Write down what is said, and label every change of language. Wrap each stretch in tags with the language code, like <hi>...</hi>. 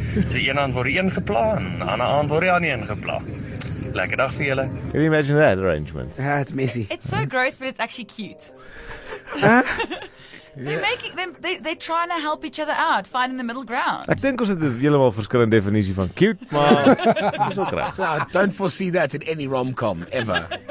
<af>So een hand word die een geplaan, ander hand word die ander een geplaan. Lekker dag vir julle.</af> <en>Can you imagine that arrangement? It's messy. It's so gross but it's actually cute. Yeah. They're trying to help each other out, finding the middle ground.</en> <af>Ek dink ons het 'n heeltemal verskillende definisie van cute, maar dis ook reg.</af> <en>So, don't foresee that in any rom-com ever.</en>